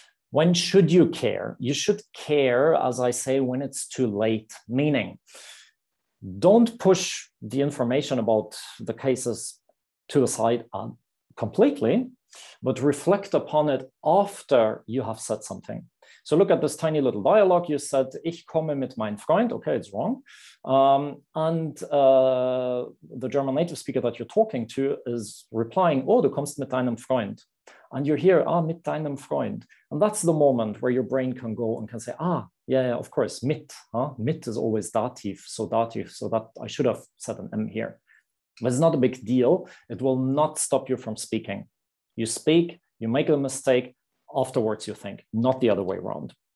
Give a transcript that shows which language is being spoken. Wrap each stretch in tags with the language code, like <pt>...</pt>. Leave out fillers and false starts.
<en>When should you care? You should care, as I say, when it's too late, meaning, don't push the information about the cases to the side completely, but reflect upon it after you have said something. So look at this tiny little dialogue. You said,</en> <de>ich komme mit meinem Freund.</de> <en>Okay, it's wrong. The German native speaker that you're talking to is replying,</en> <de>oh, du kommst mit deinem Freund.</de> <en>And you hear, ah,</en> <de>mit deinem Freund.</de> <en>And that's the moment where your brain can go and can say, ah, yeah, of course, mit. Huh? Mit is always Dativ. So Dativ, so that I should have said an M here. But it's not a big deal. It will not stop you from speaking. You speak, you make a mistake, afterwards you think, not the other way around.</en>